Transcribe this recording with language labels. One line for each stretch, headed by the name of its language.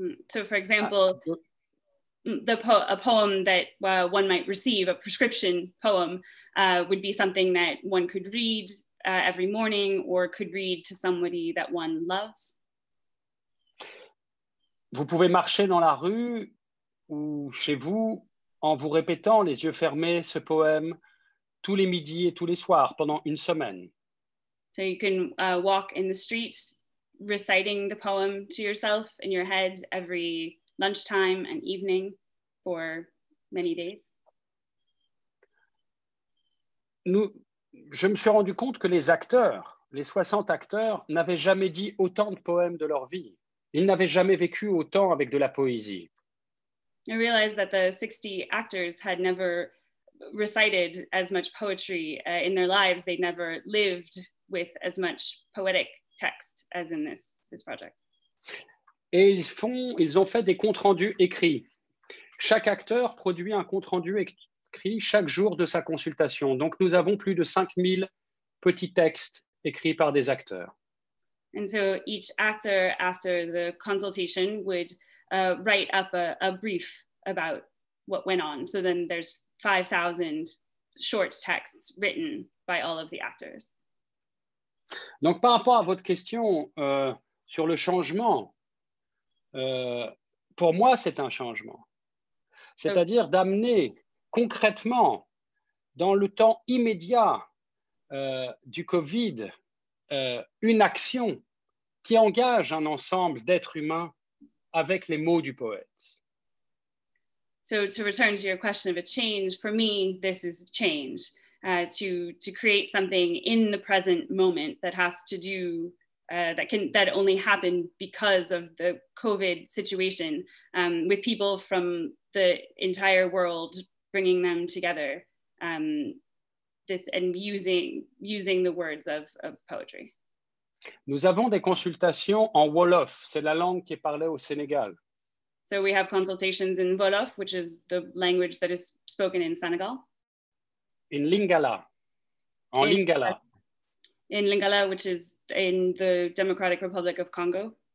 English: So, for example, a poem that one might receive, a prescription poem, would be something that one could read every morning or could read to somebody that one loves.
French: Vous pouvez marcher dans la rue ou chez vous en vous répétant les yeux fermés ce poème tous les midis et tous les soirs pendant une semaine.
English: So you can walk in the streets reciting the poem to yourself in your head every lunchtime and evening for many days.
French: Je me suis rendu compte que les acteurs, les 60 acteurs n'avaient jamais dit autant de poèmes de leur vie. Ils n'avaient jamais vécu autant avec de la poésie.
English: I realized that the 60 actors had never recited as much poetry in their lives. They never lived with as much poetic text as in this project.
French: Et ils ont fait des comptes rendus écrits. Chaque acteur produit un compte rendu écrit chaque jour de sa consultation. Donc nous avons plus de 5000 petits textes écrits par des acteurs.
English: And so each actor after the consultation would write up a brief about what went on. So then there's 5,000 short texts written by all of the actors.
French: Donc par rapport à votre question sur le changement, pour moi c'est un changement. C'est-à-dire d'amener concrètement dans le temps immédiat du Covid une action qui engage un ensemble d'êtres humains avec les mots du poète.
English: So to return to your question of a change, for me, this is change. To create something in the present moment that has to do, that only happened because of the COVID situation, with people from the entire world bringing them together, using the words of poetry.
French: Nous avons des consultations en Wolof, c'est la langue qui est parlée au Sénégal.
English: So we have consultations in Wolof, which is the language that is spoken in Senegal. In Lingala. In Lingala, which is in the Democratic Republic of Congo.